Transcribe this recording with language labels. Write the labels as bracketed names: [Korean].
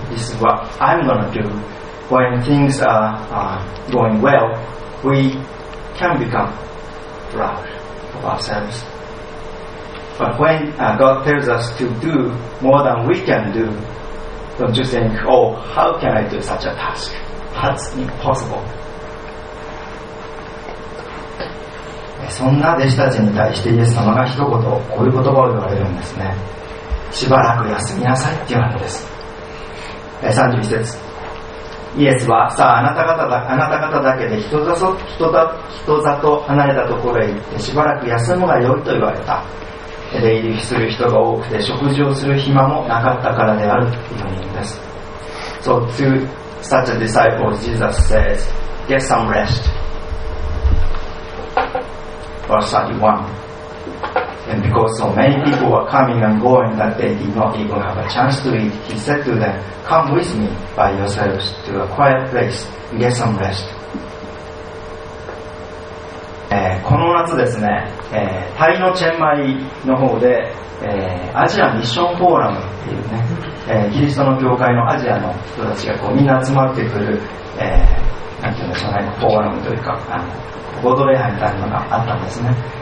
[English] This is what I'm gonna do. When things are going well, we can become proud of ourselves. But when God tells us to do more than we can do, don't you think, oh, how can I do such a task? That's impossible. [Japanese] そんな弟子たちに対してイエス様が一言、こういう言葉を言われるんですね。しばらく休みなさいって言われるんです。31節イエスはさあ、あなた方だけで人里離れたところへ行ってしばらく休むがよいと言われた。出入りする人が多くて食事をする暇もなかったからであるというんです。 [English] So to such a disciple Jesus says get some rest. Verse 31And because so many people were coming and going that they did not even have a chance to eat, he said to them, Come with me by yourselves to a quiet place and get some rest. [Japanese] この夏ですね、タイのチェンマイの方で、アジアミッションフォーラムっていうね、キリストの教会のアジアの人たちがこうみんな集まってくる、なんていうんでしょうね、フォーラムというか、合同礼拝みたいなのがあったんですね。